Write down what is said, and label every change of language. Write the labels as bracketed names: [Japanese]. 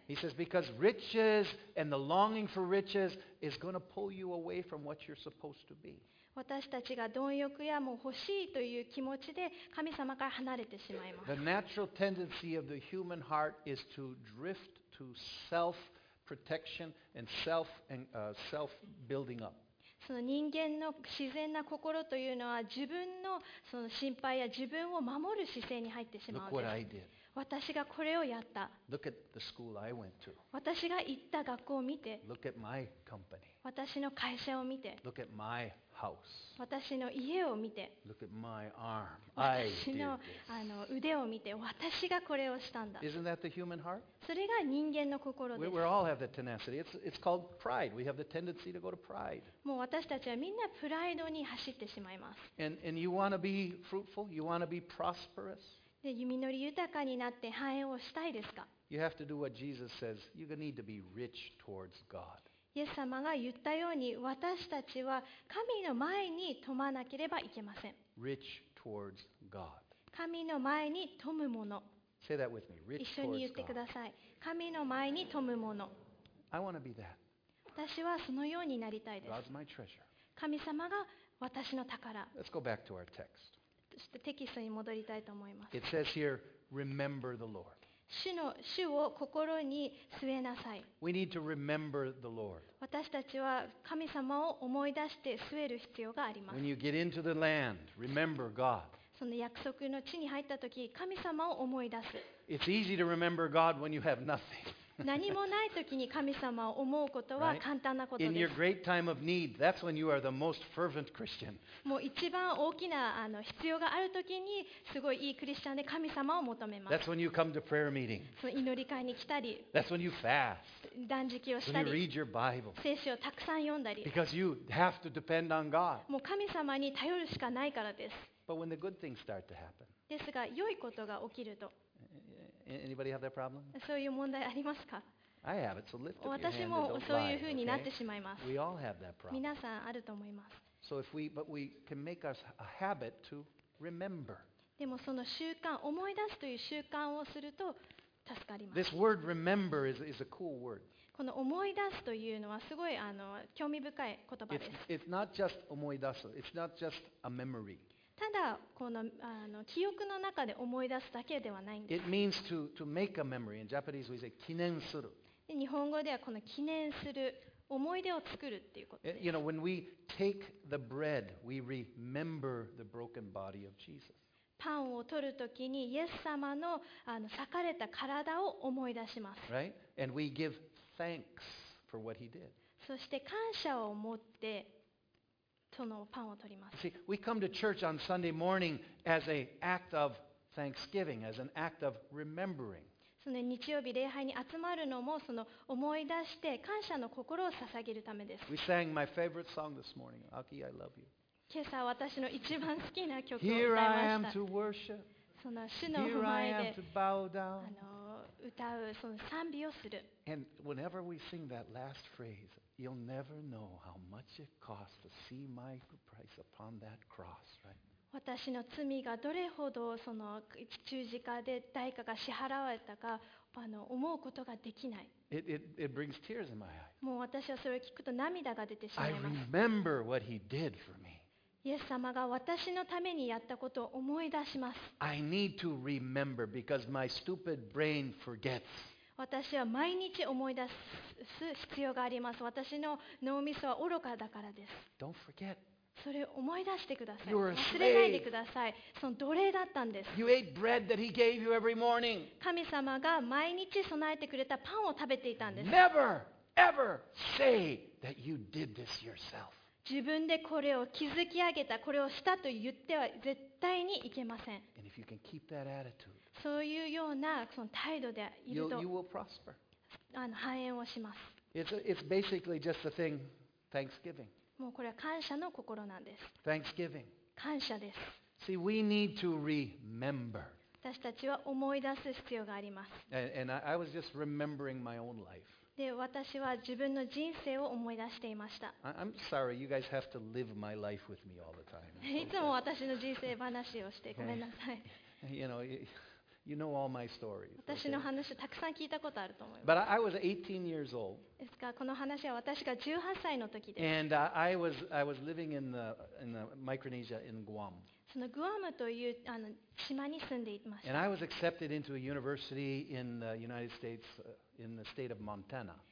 [English] He says because riches and the longing for riches is going to pull you away from what you're supposed to be. [Japanese] 私たちが貪欲やもう欲しいという気持ちで神様から離れてしまいます。 [English] The natural tendency of the human heart is to drift to self-protection and self-building up. [Japanese] その人間の自然な心というのは自分 の, その心配や自分を守る姿勢に入ってしまうんです。私がこれをやった。 [English] Look at the school I went to. [Japanese] 私が行った学校を見て。 [English] Look at my company. [Japanese] 私の会社を見て。 [English] Look at my house. [Japanese] 私の家を見て。 [English] Look at my arm. [Japanese] 私 の, あの腕を見て。私がこれをしたんだ。 [English] Isn't that the human heart? [Japanese] それが人間の心です。 [English] We all have the tenacity. It's called pride. We have the tendency to go to pride. [Japanese] 私たちはみんなプライドに走ってしまいます。 [English] And you want to be fruitful? You want to be prosperous? [Japanese] で、実り豊かになって繁栄をしたいですか? [English] You have to do what Jesus says. You need to be rich towards God. [Japanese] イエス様が言ったように、私たちは神の前に富まなければいけません。 [English] Rich towards God. [Japanese] 神の前に富むもの。 [English] Say that with me. Rich towards God. [Japanese] 一緒に言ってください。神の前に富むもの。 [English] I want to be that. [Japanese] 私はそのようになりたいです。 [English] God's my treasure. [Japanese] 神様が私の宝。 [English] Let's go back to our text. [Japanese] そしてテキストに戻りたいと思います。 [English] It says here, remember the Lord. [Japanese] 主を心に据えなさい。 [English] We need to remember the Lord. [Japanese] 私たちは神様を思い出して据える必要があります。 [English] When you get into the land, remember God. [Japanese] その約束の地に入った時、神様を思い出す。 [English] It's easy to remember God when you have nothing. [Japanese] 何もないときに神様を思うことは簡単なことです。 [English] In your great time of need, that's when you are the most fervent Christian. [Japanese] もう一番大きなあの必要があるときにすごいいいクリスチャンで神様を求めます。 [English] That's when you come to prayer meeting. [Japanese] その祈り会に来たり。 [English] That's when you fast. [Japanese] 断食をしたり。 [English] You read your Bible. [Japanese] 聖書をたくさん読んだり。 [English] Because you have to depend on God. [Japanese] もう神様に頼るしかないからです。 [English] But when the good things start to happen. [Japanese] ですが良いことが起きると。 [English] Anybody have that problem? [Japanese] そういう問題ありますか? [English] I have it, so lift up your hand and don't lie. [Japanese] 私もそういうふうになってしまいます。 [English] We all have that problem. [Japanese] 皆さんあると思います。 [English] So if we, but we can make us a habit to remember. [Japanese] でもその習慣、思い出すという習慣をすると助かります。 [English] This word remember is a cool word. [Japanese] この思い出すというのはすごいあの興味深い言葉です。 [English] It's not just 思い出す。It's not just a memory. [Japanese] ただこのあの記憶の中で思い出すだけではないんです。 [English] It means to make a memory. In Japanese, we say 記念する。 [Japanese] 日本語ではこの記念する思い出を作るっていうことです。 [English] You know, when we take the bread, we remember the broken body of Jesus. [Japanese] パンを取るときにイエス様の裂かれた体を思い出します。 [English] Right? And we give thanks for what he did. [Japanese] そして感謝を持ってそのパンを取ります。 [English] See, we come to church on Sunday morning as an act of thanksgiving, as an act of remembering. [Japanese] その日曜日礼拝に集まるのもその思い出して感謝の心を捧げるためです。 [English] We sang my favorite song this morning, Aki, I love you. [Japanese] 今朝私の一番好きな曲を歌いました [English] 。 Here I am to worship. [Japanese] その主の御前で歌うその賛美をする。 [English] And whenever we sing that last phrase, you'll never know how much it cost to see my price upon that cross, right? [Japanese] 私の罪がどれほどその十字架で代価が支払われたか思うことができない。 [English] It brings tears in my eyes. [Japanese] もう私はそれを聞くと涙が出てしまいます。 [English] I remember what he did for me. [Japanese] イエス様が私のためにやったことを思い出します。 [English] I need to remember because my stupid brain forgets. [Japanese] 私は毎日思い出す必要があります。私の脳みそは愚かだからです。 [English] Don't forget. [Japanese] それを思い出してください。忘れないでください。その奴隷だったんです。 [English] You ate bread that he gave you every morning. [Japanese] 神様が毎日備えてくれたパンを食べていたんです。 [English] Never, ever say that you did this yourself. [Japanese] 自分でこれを築き上げた、これをしたと言っては絶対にいけません。 [English] And if you can keep that attitude, [Japanese] そういうようなその態度でいると、 [English] you will prosper. [Japanese] 繁栄をします。 [English] It's basically just the thing, thanksgiving. [Japanese] もうこれは感謝の心なんです。 [English] Thanksgiving. [Japanese] 感謝です。 [English] See, we need to remember. [Japanese] 私たちは思い出す必要があります。 [English] And I was just remembering my own life. [Japanese] で、私は自分の人生を思い出していました。 [English] I'm sorry, you guys have to live my life with me all the time. [Japanese] いつも私の人生話をしてごめんなさい。 [English] You know all my stories. [Japanese] 私の話たくさん聞いたことあると思います。 [English] But I was 18 years old. [Japanese] ですが、この話は私が18歳の時です。 [English] And I was living in the Micronesia in Guam. [Japanese] そのグアムという島に住んでいました。 [English] And I was accepted into a university in the United States, in the state of Montana.